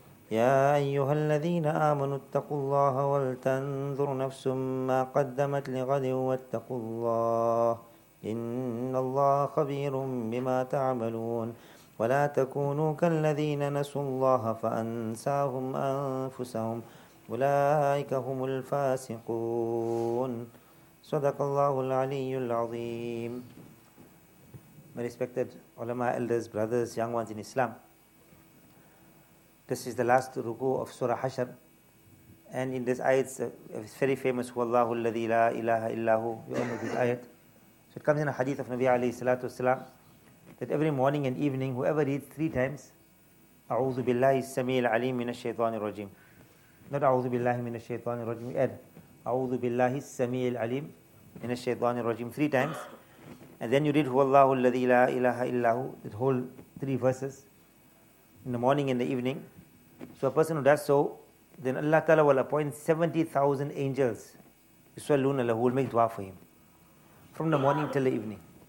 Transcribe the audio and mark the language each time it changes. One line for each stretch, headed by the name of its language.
Arabic: يا أيها الذين آمنوا اتقوا الله ولتنظر نفس ما قدمت لغد واتقوا الله إن الله خبير بما تعملون ولا تكونوا كالذين نسوا الله فأنساهم أنفسهم أولئك هم الفاسقون صدق الله العلي العظيم.
English: My respected ulama, elders, brothers, young ones in Islam, this is the last ruku of Surah Hashr, and in this ayat it's very famous,
Arabic: هو الله الذي لا إله إلا هو.
English: You all know this ayat. So it comes in a hadith of Nabi
Arabic: عليه الصلاة والسلام
English: that every morning and evening, whoever reads three times,
Arabic: أعوذ بالله السميع العليم من الشيطان الرجيم.
English: Not
Arabic: أعوذ بالله من الشيطان الرجيم.
English: We add
Arabic: أعوذ بالله السميع العليم من الشيطان الرجيم
English: three times. And then you read
Arabic: هو الله الذي لا إله إلا هو,
English: that whole three verses in the morning and the evening. So a person who does so, then Allah Ta'ala will appoint 70,000 angels
Arabic: يصلون له,
English: will make dua for him from the morning till the evening.